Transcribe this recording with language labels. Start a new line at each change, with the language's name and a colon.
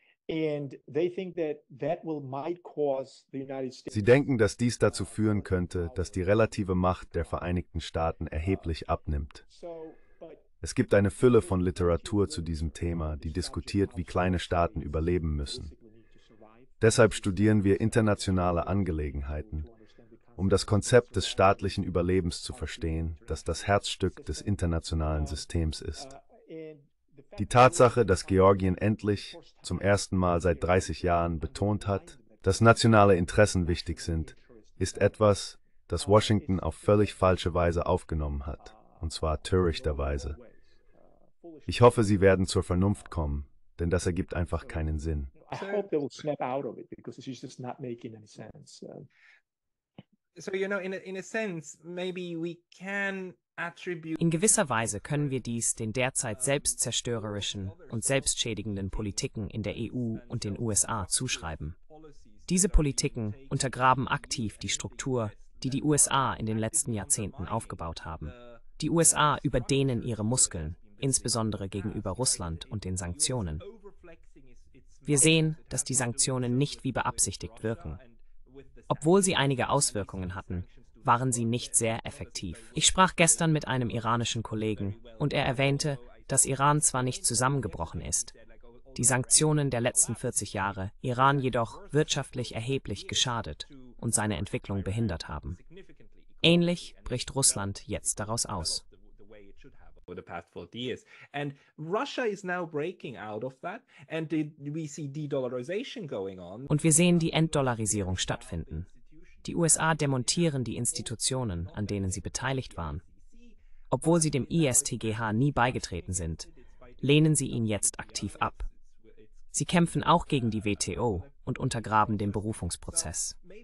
English: And they think that that will might cause the United States.
German: Sie denken, dass dies dazu führen könnte, dass die relative Macht der Vereinigten Staaten erheblich abnimmt. Es gibt eine Fülle von Literatur zu diesem Thema, die diskutiert, wie kleine Staaten überleben müssen. Deshalb studieren wir internationale Angelegenheiten, um das Konzept des staatlichen Überlebens zu verstehen, das das Herzstück des internationalen Systems ist. Die Tatsache, dass Georgien endlich, zum ersten Mal seit 30 Jahren, betont hat, dass nationale Interessen wichtig sind, ist etwas, das Washington auf völlig falsche Weise aufgenommen hat, und zwar törichterweise. Ich hoffe, sie werden zur Vernunft kommen, denn das ergibt einfach keinen Sinn.
English: I hope they will snap out of it because it's just not making any sense. So, you know, in a sense, maybe we can attribute.
German: In gewisser Weise können wir dies den derzeit selbstzerstörerischen und selbstschädigenden Politiken in der EU und den USA zuschreiben. Diese Politiken untergraben aktiv die Struktur, die die USA in den letzten Jahrzehnten aufgebaut haben. Die USA überdehnen ihre Muskeln, insbesondere gegenüber Russland und den Sanktionen. Wir sehen, dass die Sanktionen nicht wie beabsichtigt wirken. Obwohl sie einige Auswirkungen hatten, waren sie nicht sehr effektiv. Ich sprach gestern mit einem iranischen Kollegen und er erwähnte, dass Iran zwar nicht zusammengebrochen ist, die Sanktionen der letzten 40 Jahre Iran jedoch wirtschaftlich erheblich geschadet und seine Entwicklung behindert haben. Ähnlich bricht Russland jetzt daraus aus.
English: For the past 40 years. And Russia is now breaking out of that and we see de-dollarization going on.
German: Und wir sehen die Entdollarisierung stattfinden. Die USA demontieren die Institutionen, an denen sie beteiligt waren. Obwohl sie dem ISTGH nie beigetreten sind, lehnen sie ihn jetzt aktiv ab. Sie kämpfen auch gegen die WTO und untergraben den Berufungsprozess.